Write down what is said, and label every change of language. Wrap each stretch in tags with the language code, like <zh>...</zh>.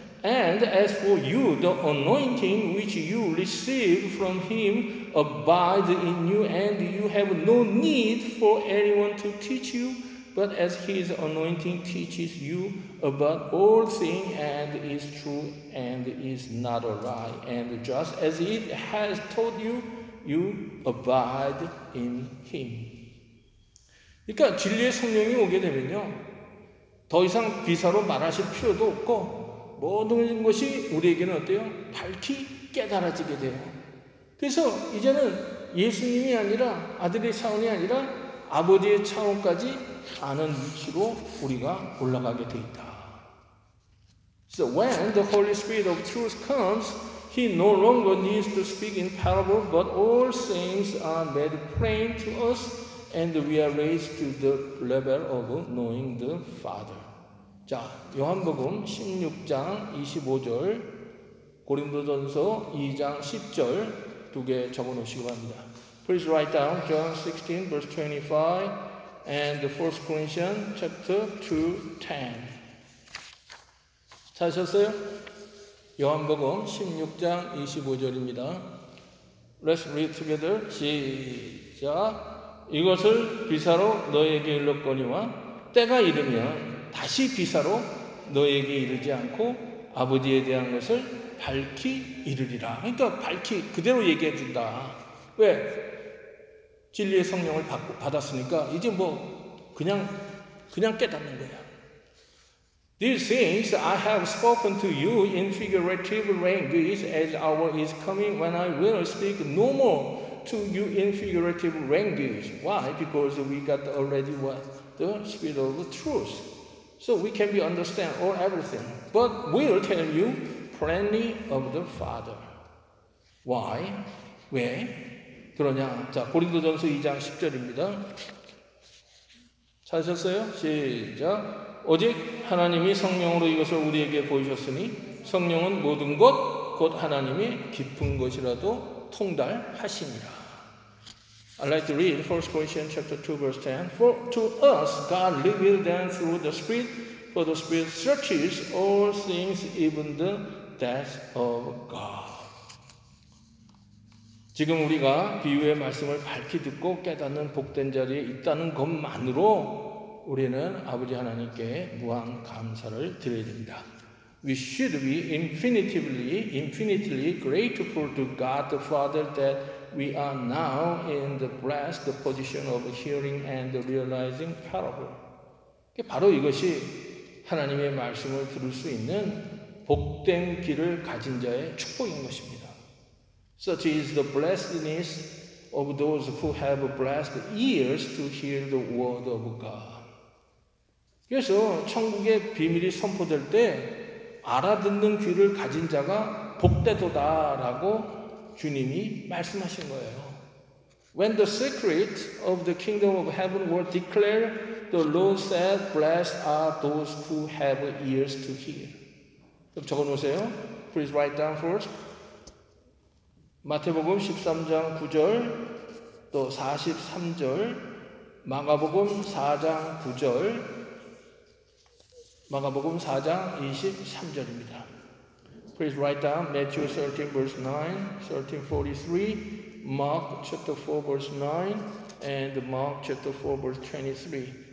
<en>And as for you, the anointing which you received from him abides in you, and you have no need for anyone to teach you, but as his anointing teaches you about all things and is true and is not a lie, and just as it has taught you, you abide in him.</en> <ko>그러니까 진리의 성령이 오게 되면요, 더 이상 비사로 말하실 필요도 없고 모든 것이 우리에게는 어때요? 밝히 깨달아지게 돼요. 그래서 이제는 예수님이 아니라 아들의 차원이 아니라 아버지의 차원까지 아는 위치로 우리가 올라가게 돼 있다.</ko> <en>So when the Holy Spirit of truth comes, he no longer needs to speak in parable, but all things are made plain to us, and we are raised to the level of knowing the Father.</en> <ko>자, 요한복음 16장 25절, 고린도전서 2장 10절 두 개 적어 놓으시기 바랍니다.</ko> <en>Please write down John 16 verse 25 and 1 Corinthians chapter 2 10.</en> <ko>찾으셨어요? 요한복음 16장 25절입니다.</ko> <en>Let's read together.</en> <ko>시작. 이것을 비사로 너에게 일렀거니와 때가 이르면 다시 비사로 너에게 이르지 않고 아버지에 대한 것을 밝히 이르리라. 그러니까 밝히 그대로 얘기해 준다. 왜? 진리의 성령을 받았으니까 이제 뭐 그냥 깨닫는 거야.</ko> <en>These things I have spoken to you in figurative language as hour is coming when I will speak no more to you in figurative language. Why? Because we got already what? The spirit of the truth. So we can be understand all everything, but we'll tell you plenty of the Father. Why?</en> <ko>왜 그러냐? 자, 고린도전서 2장 10절입니다. 찾으셨어요? 시작. 오직 하나님이 성령으로 이것을 우리에게 보이셨으니 성령은 모든 것, 곧 하나님이 깊은 것이라도 통달하십니다.</ko> <en>I'd like to read 1 Corinthians chapter 2, verse 10. For to us God revealed them through the Spirit, for the Spirit searches all things, even the depths of God.</en> <ko>지금 우리가 비유의 말씀을 밝히 듣고 깨닫는 복된 자리에 있다는 것만으로 우리는 아버지 하나님께 무한 감사를 드려야 됩니다.</ko> <en>We should be infinitely grateful to God the Father that we are now in the blessed position of hearing and realizing parable.</en> <ko>바로 이것이 하나님의 말씀을 들을 수 있는 복된 길을 가진 자의 축복인 것입니다.</ko> <en>Such is the blessedness of those who have blessed ears to hear the word of God.</en> <ko>그래서 천국의 비밀이 선포될 때 알아듣는 귀를 가진 자가 복되도다라고 주님이 말씀하신 거예요.</ko> <en>When the secret of the kingdom of heaven were declared, the Lord said, blessed are those who have ears to hear.</en> <ko>적어 놓으세요.</ko> <en>Please write down first.</en> <ko>마태복음 13장 9절, 또 43절, 마가복음 4장 9절, 마가복음 4장 23절입니다.</ko> <en>Please write down Matthew 13 verse 9, 13:43, Mark chapter 4 verse 9, and Mark chapter 4 verse 23.</en>